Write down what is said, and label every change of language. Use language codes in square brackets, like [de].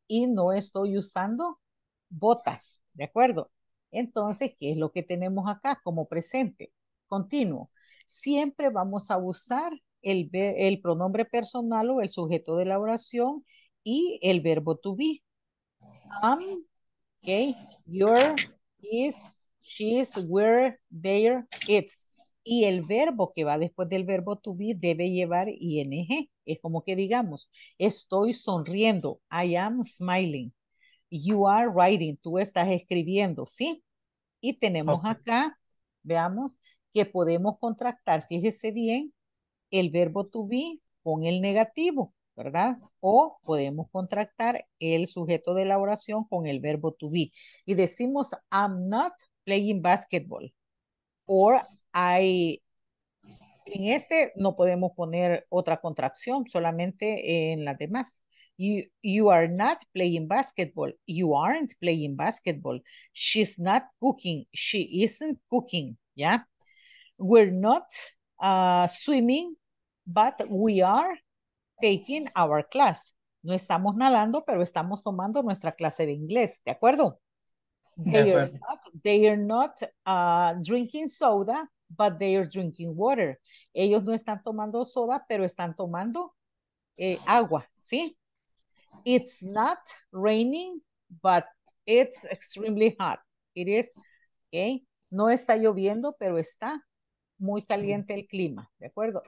[es] Y no estoy usando botas, ¿de acuerdo? Entonces, ¿qué es lo que tenemos acá como presente? Continuo. Siempre vamos a usar el pronombre personal o el sujeto de la oración y el verbo to be. [en] I'm, okay, you're, is, she's, we're, they're, it's. [es] Y el verbo que va después del verbo to be debe llevar ing. Es como que digamos, estoy sonriendo. [en] I am smiling. You are writing. [es] Tú estás escribiendo, ¿sí? Y tenemos acá, veamos, que podemos contractar, fíjese bien, el verbo to be con el negativo, ¿verdad? O podemos contractar el sujeto de la oración con el verbo to be. Y decimos, [en] I'm not playing basketball. [es] Or I, en este no podemos poner otra contracción, solamente en las demás. [en] You are not playing basketball. You aren't playing basketball. She's not cooking. She isn't cooking. [es] ¿Ya? [en] We're not swimming, but we are taking our class. [es] No estamos nadando, pero estamos tomando nuestra clase de inglés. ¿De acuerdo? [en] They are not drinking soda, but they are drinking water. [es] Ellos no están tomando soda, pero están tomando agua. ¿Sí? [en] It's not raining, but it's extremely hot. It is, okay? [es] No está lloviendo, pero está muy caliente el clima, ¿de acuerdo?